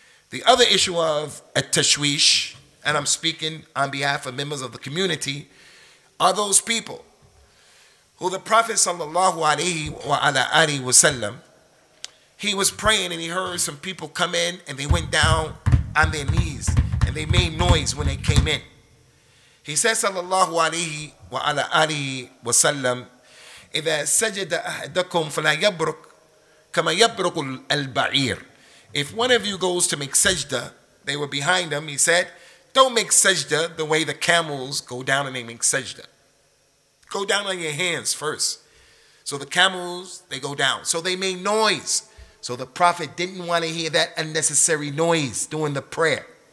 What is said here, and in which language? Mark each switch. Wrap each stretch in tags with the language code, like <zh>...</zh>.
<en>The other issue of at-tashwish, and I'm speaking on behalf of members of the community, are those people who the Prophet sallallahu alaihi wasallam, he was praying and he heard some people come in and they went down on their knees and they made noise when they came in. He said</en> <ar>sallallahu alaihi wasallam, إذا سجد أحدكم فلا يبرك كما يبرك البعير.</ar> <en>If one of you goes to make sajda, they were behind him, he said, don't make sajda the way the camels go down and they make sajda. Go down on your hands first. So the camels, they go down. So they made noise. So the Prophet didn't want to hear that unnecessary noise during the prayer.</en>